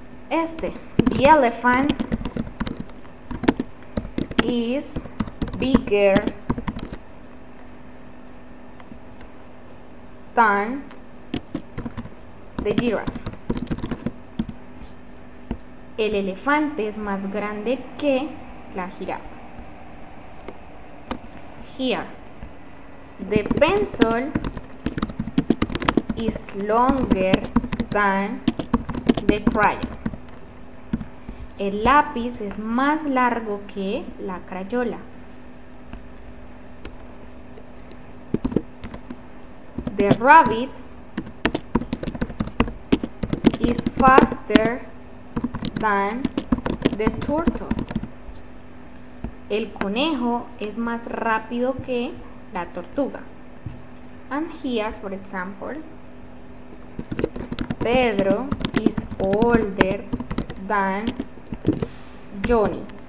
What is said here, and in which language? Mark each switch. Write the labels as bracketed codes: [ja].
[en] Este, the elephant is bigger than the giraffe. [es] El elefante es más grande que la jirafa. [en] Here, the pencil is longer than the crayon. [es] El lápiz es más largo que la crayola. [en] The rabbit is faster than the turtle. [es] El conejo es más rápido que la tortuga. [en] And here, for example, Pedro is older than Johnny.